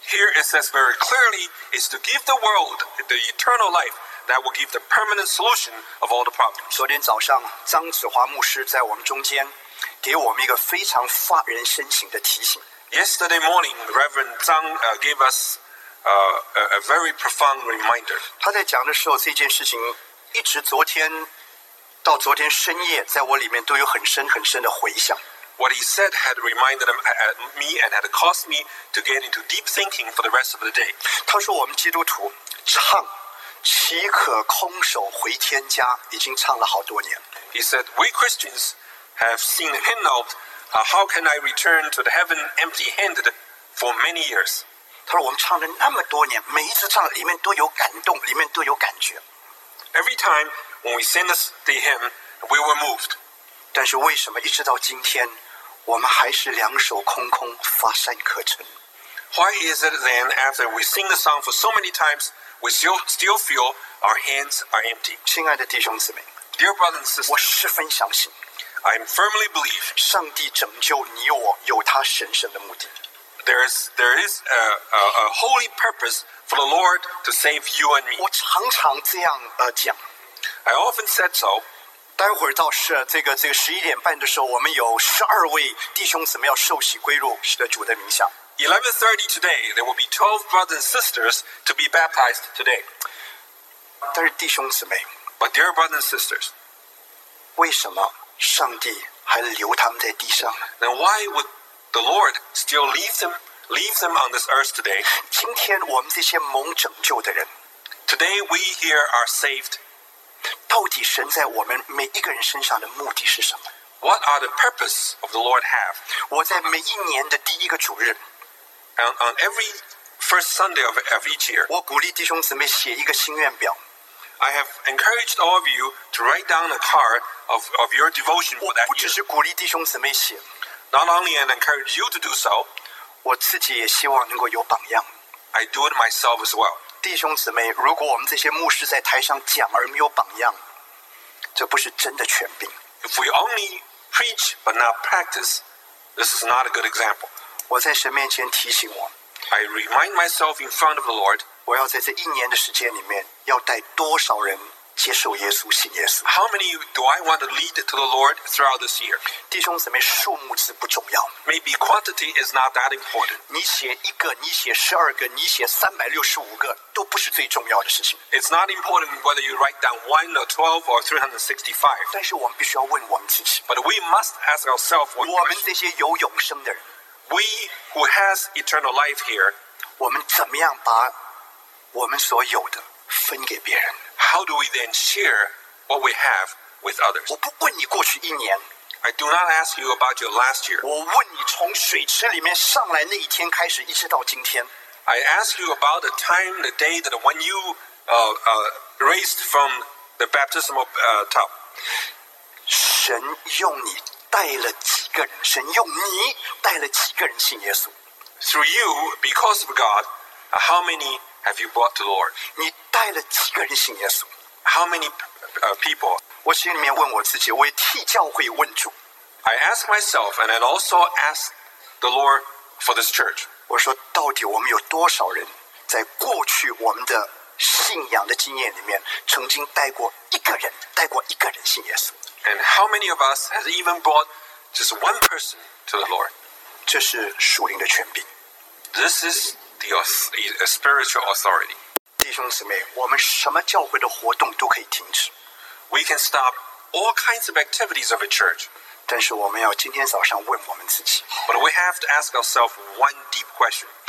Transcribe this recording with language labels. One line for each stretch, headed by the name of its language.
English: Here it says very clearly is to give the world the eternal life. That will give the permanent solution of all the problems.
Chinese: 昨天早上，张子华牧师在我们中间，给我们一个非常发人深省的提醒。
English: Yesterday morning, Reverend Zhang gave us a very profound reminder.
Chinese: 他在讲的时候，这件事情一直昨天到昨天深夜，在我里面都有很深很深的回响。
English: What he said had reminded me and had caused me to get into deep thinking for the rest of the day.
Chinese: 他说我们基督徒唱。岂可空手回天家？已经唱了好多年。
English: He said, "We Christians have seen the hymn of, 'How can I return to the heaven empty-handed?' for many years."
Chinese: 他说我们唱了那么多年，每一次唱里面都有感动，里面都有感觉。
English: Every time when we sing the hymn, we were moved.
Chinese: 但是为什么一直到今天，我们还是两手空空，乏善可陈？
English: Why is it then after we sing the song for so many times? We still feel our hands are empty.
Chinese: 亲爱的弟兄姊妹
English: Dear brothers and sisters,
Chinese: 我十分相信
English: I firmly believe
Chinese: 上帝拯救你我有他神圣的目的
English: There is a holy purpose for the Lord to save you and me.
Chinese: 我常常这样讲
English: I often said so.
Chinese: 待会儿到这个十一点半的时候，我们有十二位弟兄姊妹要受洗归入使得主的名下。
English: 11:30 today, there will be 12 brothers and sisters to be baptized today.
Chinese: 但是弟兄姊妹
English: But dear brothers and sisters,
Chinese: 为什么上帝还留他们在地上呢？
English: Then why would the Lord still leave them on this earth today?
Chinese: 今天我们这些蒙拯救的人
English: Today we here are saved.
Chinese: 到底神在我们每一个人身上的目的是什么？
English: What are the purpose of the Lord have?
Chinese: 我在每一年的第一个主日
English: On every first Sunday of each year,
Chinese: 我鼓励弟兄姊妹写一个心愿表。
English: I have encouraged all of you to write down a card of your devotion for that year.
Chinese: 我不只是鼓励弟兄姊妹写。
English: Not only I encourage you to do so,
Chinese: 我自己也希望能够有榜样。
English: I do it myself as well.
Chinese: 弟兄姊妹，如果我们这些牧师在台上讲而没有榜样，这不是真的权柄。
English: If we only preach but not practice, this is not a good example.
Chinese: 我在神面前提醒我
English: I remind myself in front of the Lord
Chinese: 我要在这一年的时间里面要带多少人接受耶稣信耶稣
English: How many do I want to lead to the Lord throughout this year?
Chinese: 弟兄姊妹数目是不重要
English: Maybe quantity is not that important
Chinese: 你写一个你写十二个你写三百六十五个都不是最重要的事情
English: It's not important whether you write down 1 or 12 or 365
Chinese: 但是我们必须要问我们自己
English: But we must ask ourselves one question
Chinese: 我们这些有永生的人
English: We who has eternal life here,
Chinese: 我们怎么样把我们所有的分给别人
English: How do we then share what we have with others?
Chinese: 我不问你过去一年
English: I do not ask you about your last year.
Chinese: 我问你从水池里面上来那一天开始，一直到今天
English: I ask you about the time, the day that when you raised from the baptismal tub.
Chinese: 神用你。带了几个人，神用你带了几个人信耶稣。
English: Through you, because of God, how many have you brought to the Lord?
Chinese: 你带了几个人信耶稣
English: ？How many people?
Chinese: 我心里面问我自己，我也替教会问主。
English: I ask myself, and I also ask the Lord for this church.
Chinese: 我说，到底我们有多少人在过去我们的信仰的经验里面曾经带过一个人，带过一个人信耶稣。
English: And how many of us has even brought just one person to the Lord?
Chinese: 这是属灵的权柄。
English: This is the spiritual authority.
Chinese: 弟兄姊妹，我们什么教会的活动都可以停止。
English: We can stop all kinds of activities of a church.
Chinese: 但是我们要今天早上问我们自己。
English: But we have to ask ourselves one deep question.